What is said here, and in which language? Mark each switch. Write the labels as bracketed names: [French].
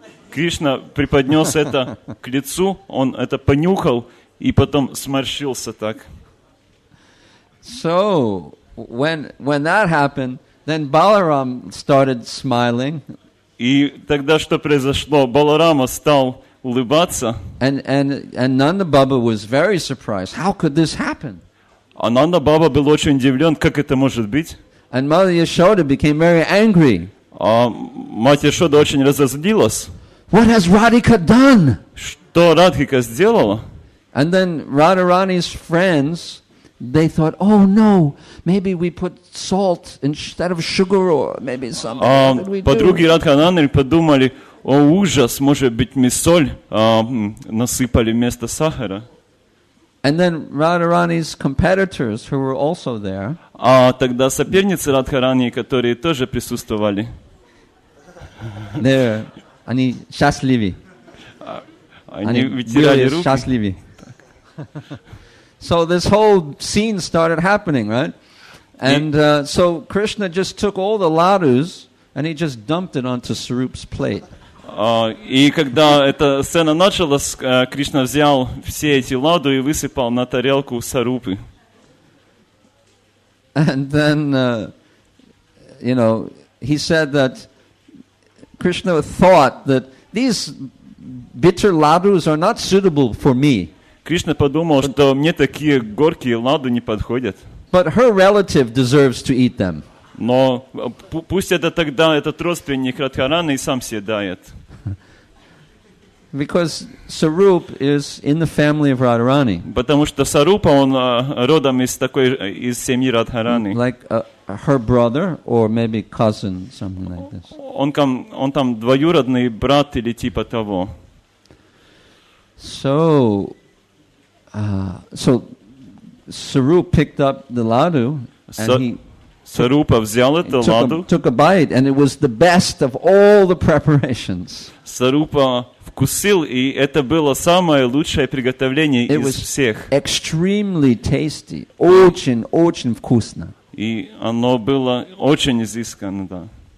[Russian] Кришна преподнес это к лицу, он это понюхал и потом сморщился так. [English] So when that happened, then Balaram started smiling. [Russian] И тогда что произошло? Баларама стал улыбаться. [English] And Nanda Baba was very surprised. How could this happen? [Russian] А Нанда Баба был очень удивлен, как это может быть? [English] And Mother Yashoda became very angry. [Russian] А мать Яшода очень разозлилась. [English] What has Radhika done? [Russian] Что Радхика сделала? [English] And then Radharani's friends, they thought, oh no, maybe we put salt instead of sugar or maybe something. [Russian] Подруги Радхананы подумали, о ужас, может быть мы соль насыпали вместо сахара. [English] And then Radharani's competitors, who were also there. [Russian] А тогда соперницы Радхарани, которые тоже присутствовали. [English] There. [Russian] Они счастливы. Они вытирали руки. Счастливы. [English] So this whole scene started happening, right? And so Krishna just took all the ladus and he just dumped it onto Sarup's plate. [Russian] И когда эта сцена началась, Кришна взял все эти ладу и высыпал на тарелку Сарупы. [English] And then you know, he said that Krishna thought that these bitter ladus are not suitable for me. [Russian] Кришна подумал, что мне такие горькие ладу не подходят. [English] But her relative deserves to eat them. [Russian] Но пусть это тогда этот родственник Радхараны и сам съедает. [English] Because Sarup is in the family of Radharani. [Russian] Потому что Сарупа, он родом из такой из семьи Радхарани. [English] Like her brother or maybe cousin, something like this. [Russian] Он там двоюродный брат или типа того. [English] So Sarup picked up the ladu and he [Russian] Сарупа взял эту ладу. [English] Took a bite and it was the best of all the preparations. [Russian] Сарупа вкусил, и это было самое лучшее приготовление из всех. [English] Extremely tasty. [Russian] Очень, очень вкусно. И оно было очень изысканно, да.